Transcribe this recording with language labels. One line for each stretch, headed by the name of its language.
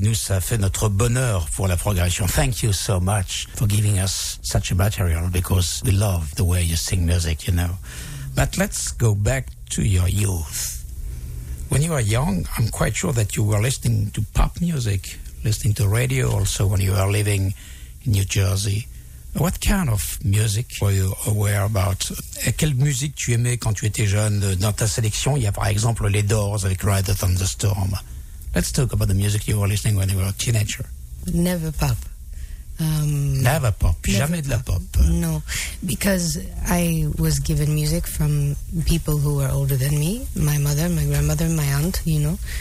French: Nous, ça fait notre bonheur pour la progression.
English: Thank you so much for giving us such a material because we love the way you sing music, you know. But let's go back to your youth. When you were young, I'm quite sure that you were listening to pop music, listening to radio also when you were living in New Jersey. What kind of music were you aware about?
French: Quelle musique tu aimais quand tu étais jeune dans ta sélection? Il y a par exemple les Doors avec Ride a Thunderstorm.
English: Let's talk about the music you were listening when you were a teenager. Never pop.
French: La pop, jamais de la pop.
English: No, because I was given music from people who were older than me, my mother, my grandmother, my aunt, you know.